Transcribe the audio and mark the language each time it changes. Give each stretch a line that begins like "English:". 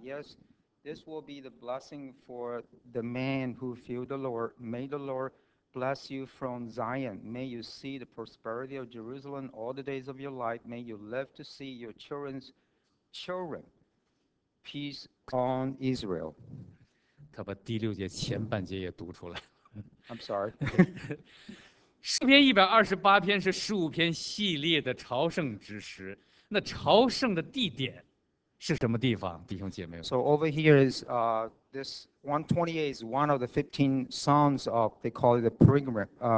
English: Yes, this will be the blessing for the man who feared the Lord. May the Lord bless you from Zion. May you see the prosperity of Jerusalem all the days of your life. May you live to see your children's children. Peace on Israel.
Chinese: 他把第六节前半节也读出来。
English: I'm sorry.
Chinese: 诗篇128篇是15篇系列的朝圣之诗。那朝圣的地点是什么地方，弟兄姐妹？
English: So over here is this 128 is one of the 15 songs of they call it the pilgrimage.